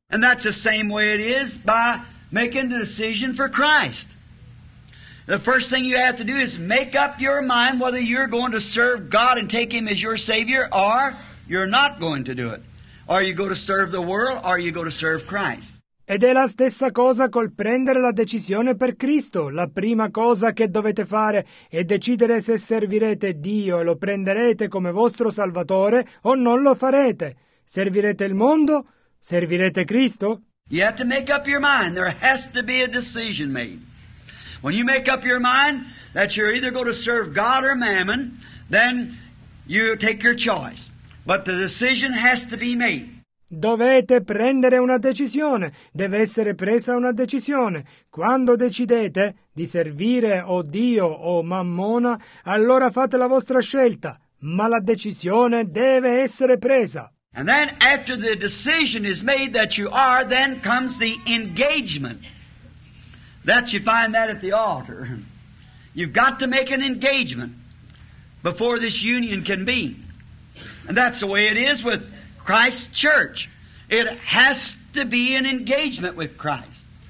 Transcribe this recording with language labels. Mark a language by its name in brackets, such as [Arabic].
[English] And that's the same way it is by making the decision for Christ. The first thing you have to do is make up your mind whether you're going to serve God and take Him as your Savior, or you're not going to do it. Or you go to serve the world, or you go to serve Christ. [Italian] Ed è la stessa cosa col prendere la decisione per Cristo. La prima cosa che dovete fare è decidere se servirete Dio e lo prenderete come vostro Salvatore o non lo farete. Servirete il mondo? Servirete Cristo? [English] You have to make up your mind. There has to be a decision made. When you make up your mind that you're either going to serve God or mammon, then you take your choice. But the decision has to be made. [Italian] Dovete prendere una decisione. Deve essere presa una decisione. Quando decidete di servire o Dio o mammona, allora fate la vostra scelta. Ma la decisione deve essere presa. [English] And then after the decision is made that you are, then comes the engagement. That you find that at the altar. You've got to make an engagement before this union can be. And that's the way it is with Christ's church. It has to be an engagement with Christ.